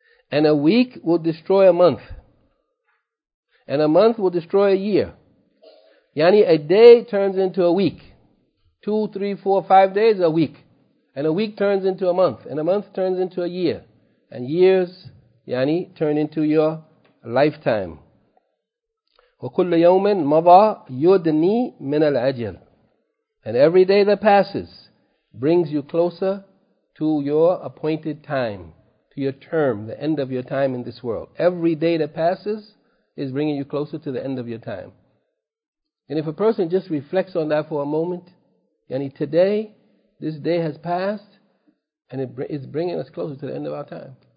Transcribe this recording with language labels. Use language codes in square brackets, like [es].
[en] And a week will destroy a month. And a month will destroy a year. يعني a day turns into a week. 2, 3, 4, 5 days a week. And a week turns into a month. And a month turns into a year. And years, يعني, turn into your lifetime. [ar] وكل يوم مضى يدني من العجل. [en] And every day that passes brings you closer to your appointed time, to your term, the end of your time in this world. Every day that passes is bringing you closer to the end of your time. And if a person just reflects on that for a moment, yani today, this day has passed, and it's bringing us closer to the end of our time.